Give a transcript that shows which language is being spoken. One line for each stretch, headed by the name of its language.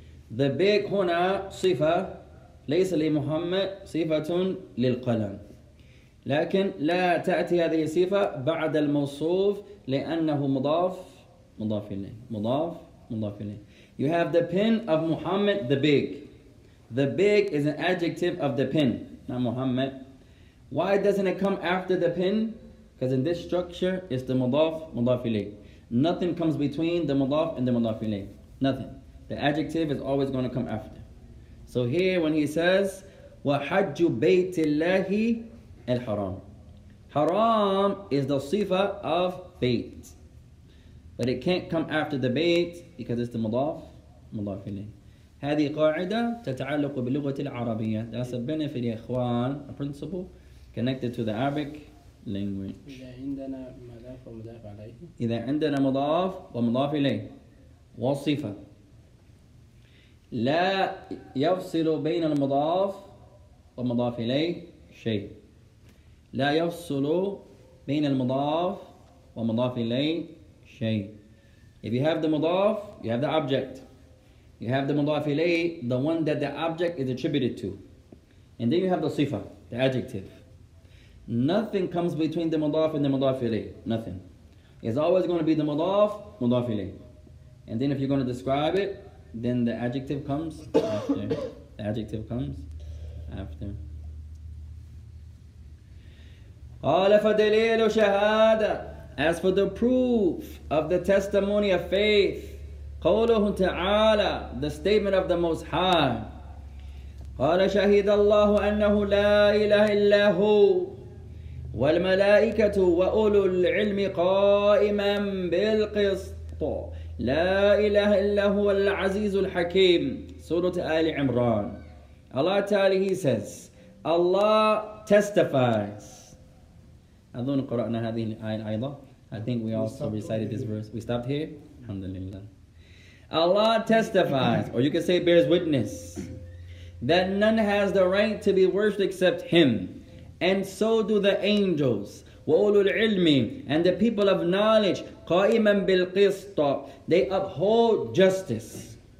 English: The big
Arabic: هنا صفة ليس لمحمد صفة للقلم. لكن لا تأتي هذه الصفة بعد الموصوف لأنه مضاف مضاف إليه مضاف مضاف إليه.
English: You have the pen of Muhammad, the big. The big is an adjective of the pen, not Muhammad. Why doesn't it come after the pen? Because in this structure, it's the mudaf, mudaf ilayh. Nothing comes between the mudaf and the mudaf ilayh. Nothing. The adjective is always going to come after. So here when he says,
Arabic: وَحَجُّ بَيْتِ اللَّهِ الْحَرَامِ.
English: Haram is the sifa of bait. But it can't come after the bait because it's the mudaf, mudaf ilayh.
Arabic: هذه قاعدة تتعلق باللغة العربية.
English: That's a benefit, إخوان, a principle connected to the Arabic language.
Arabic: إذا عندنا مضاف ومضاف عليه. إذا عندنا مضاف ومضاف إليه وصفة لا يفصل بين المضاف ومضاف إليه شيء. لا يفصل بين المضاف ومضاف إليه شيء.
English: If you have the مضاف, you have the object. You have the mudaf ilayh, the one that the object is attributed to. And then you have the sifa, the adjective. Nothing comes between the mudaf and the mudaf ilayh, nothing. It's always going to be the mudaf, mudaf ilayh. And then if you're going to describe it, then the adjective comes after. The adjective comes after.
Arabic: قَالَ فَدَلِيلُ شَهَادَةً.
English: As for the proof of the testimony of faith,
Arabic: قوله تعالى,
English: the statement of the Most High.
Arabic: قال شهد الله أنه لا إله إلا هو والملائكة وأولو العلم قائما بالقسط لا إله إلا هو العزيز الحكيم. سورة آل عمران.
English: Allah تعالى, he says, Allah testifies.
Arabic: أظن قرأنا هذه الآية أيضا.
English: I think we also recited this verse. We stopped here. Alhamdulillah. Allah testifies, or you can say bears witness, that none has the right to be worshipped except Him. And so do the angels,
Arabic: وَأُولُو الْعِلْمِ,
English: and the people of knowledge,
Arabic: قَائِمًا بِالْقِسْطَ,
English: they uphold justice.